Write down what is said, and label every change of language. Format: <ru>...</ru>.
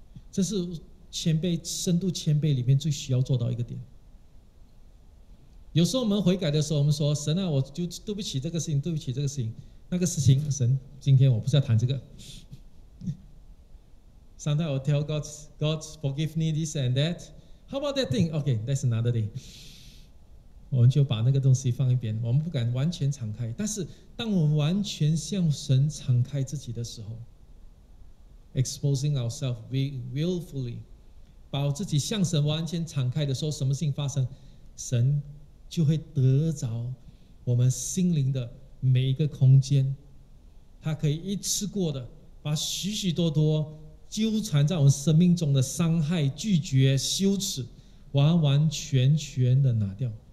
<zh>这是谦卑，深度谦卑里面最需要做到一个点。有时候我们悔改的时候，我们说，神啊，我就对不起这个事情，对不起这个事情，那个事情，神，今天我不是要谈这个。</zh> <en>Sometimes I'll tell God, God, forgive me this and that. How about that thing? Okay, that's another thing.</en> <zh>我们就把那个东西放一边，我们不敢完全敞开。但是当我们完全向神敞开自己的时候，</zh> <en>exposing ourselves willfully,</en> <zh>把自己向神完全敞开的时候，什么事情发生，神就会得着我们心灵的每一个空间，他可以一次过的把许许多多纠缠在我们生命中的伤害、拒绝、羞耻，完完全全的拿掉。</zh>